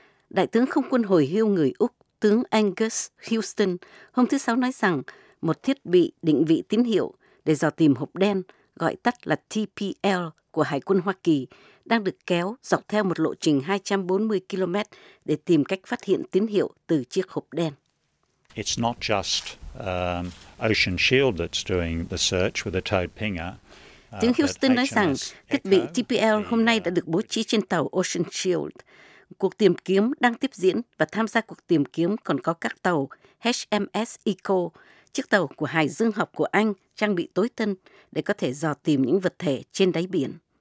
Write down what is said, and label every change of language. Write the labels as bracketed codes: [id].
[vi] Đại tướng không quân hồi hưu người Úc, tướng Angus Houston, hôm thứ Sáu nói rằng một thiết bị định vị tín hiệu để dò tìm hộp đen, gọi tắt là TPL của Hải quân Hoa Kỳ, đang được kéo dọc theo một lộ trình 240 km để tìm cách phát hiện tín hiệu từ chiếc hộp đen. [en] It's not just Ocean Shield that's doing the search with a towed pinger. [vi] Tướng Houston nói rằng thiết bị TPL hôm nay đã được bố trí trên tàu Ocean Shield. Cuộc tìm kiếm đang tiếp diễn và tham gia cuộc tìm kiếm còn có các tàu HMS Eco, chiếc tàu của Hải Dương học của Anh trang bị tối tân để có thể dò tìm những vật thể trên đáy biển.